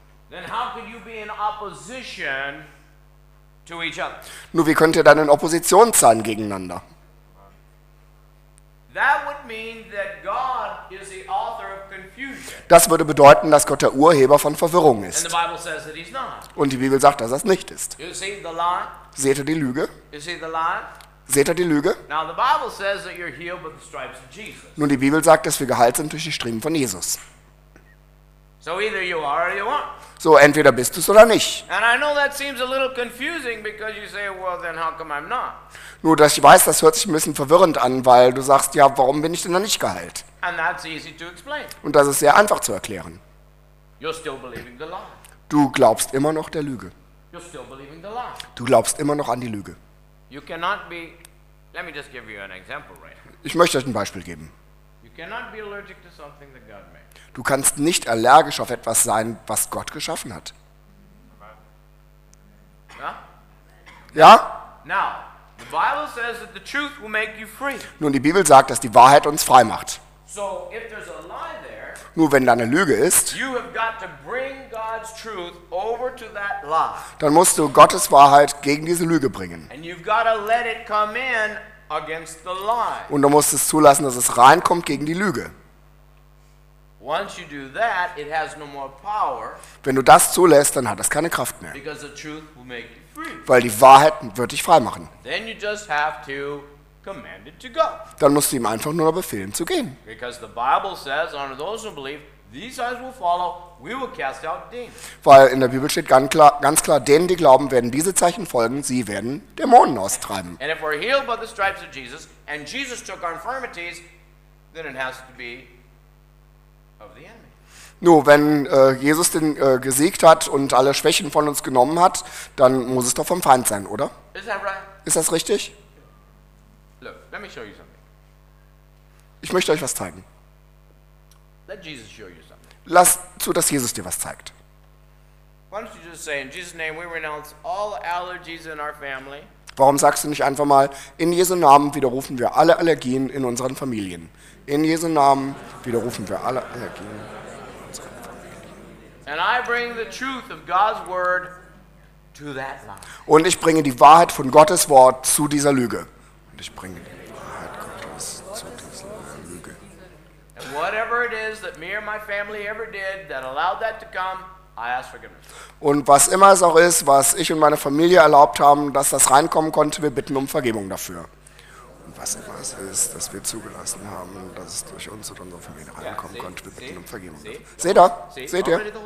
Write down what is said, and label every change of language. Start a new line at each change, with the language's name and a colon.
English: then how could you be in opposition to each other?
German: Nur wie könnt ihr dann in Opposition sein gegeneinander?
English: That would mean that God is the author of confusion.
German: Das würde bedeuten, dass Gott der Urheber von Verwirrung ist.
English: And the Bible says that he's not.
German: Und die Bibel sagt, dass das nicht ist.
English: You see the lie?
German: Seht ihr die Lüge?
English: You see the lie?
German: Seht ihr die Lüge?
English: Now the Bible says that you're healed by the stripes of Jesus.
German: Nun, die Bibel sagt, dass wir geheilt sind durch die Striemen von Jesus.
English: So either you are or you aren't.
German: So entweder bist du es oder nicht.
English: And I know that seems a little confusing because you say, well, then how come I'm not?
German: Nur, dass ich weiß, das hört sich ein bisschen verwirrend an, weil du sagst, ja, warum bin ich denn da nicht geheilt?
English: And that's easy to explain.
German: Und das ist sehr einfach zu erklären.
English: You're still believing the lie.
German: Du glaubst immer noch der Lüge.
English: You're still believing the lie.
German: Du glaubst immer noch an die Lüge.
English: You cannot be, let me just give you an example right here.
German: Ich möchte euch ein Beispiel geben.
English: You cannot be allergic to something that God made.
German: Du kannst nicht allergisch auf etwas sein, was Gott geschaffen hat. Ja? Ja?
English: Now, the Bible says that the truth will make you free.
German: Nun, die Bibel sagt, dass die Wahrheit uns frei macht.
English: So, if there's a lie there,
German: nur wenn da eine Lüge ist,
English: you have got to bring God's truth over to that lie.
German: Dann musst du Gottes Wahrheit gegen diese Lüge bringen.
English: And you've got to let it come in against the lie.
German: Und du musst es zulassen, dass es reinkommt gegen die Lüge.
English: Once you do that, it has no more power.
German: Wenn du das zulässt, dann hat das keine Kraft mehr.
English: Because the truth will make you free.
German: Weil die Wahrheit wird dich frei machen.
English: Then you just have to command it to go.
German: Dann musst du ihm einfach nur befehlen zu gehen.
English: Because the Bible says, "Honor those who believe; these eyes will follow. We will cast out demons."
German: Weil in der Bibel steht ganz klar, denen, die glauben, werden diese Zeichen folgen. Sie werden Dämonen austreiben.
English: And if we're healed by the stripes of Jesus, and Jesus took our infirmities, then it has to be.
German: Nur wenn Jesus den gesiegt hat und alle Schwächen von uns genommen hat, dann muss es doch vom Feind sein, oder?
English: Is that right?
German: Ist das richtig?
English: Look, let me show you something.
German: Ich möchte euch was zeigen.
English: Let Jesus show you something.
German: Lass zu, dass Jesus dir was zeigt.
English: Why don't you just say, in Jesus' name we renounce all allergies in our family?
German: Warum sagst du nicht einfach mal, in Jesu Namen widerrufen wir alle Allergien in unseren Familien? In Jesu Namen widerrufen wir alle Allergien in unseren Familien. Und ich bringe die Wahrheit von Gottes Wort zu dieser Lüge. Und ich bringe die Wahrheit Gottes zu dieser Lüge.
English: And whatever it is that me or my family ever did that allowed that to come, I ask forgiveness.
German: Und was immer es auch ist, was ich und meine Familie erlaubt haben, dass das reinkommen konnte, wir bitten um Vergebung dafür. Und was immer es ist, dass wir zugelassen haben, dass es durch uns und unsere Familie reinkommen konnte, wir bitten um Vergebung dafür. Seht ihr? Seht ihr?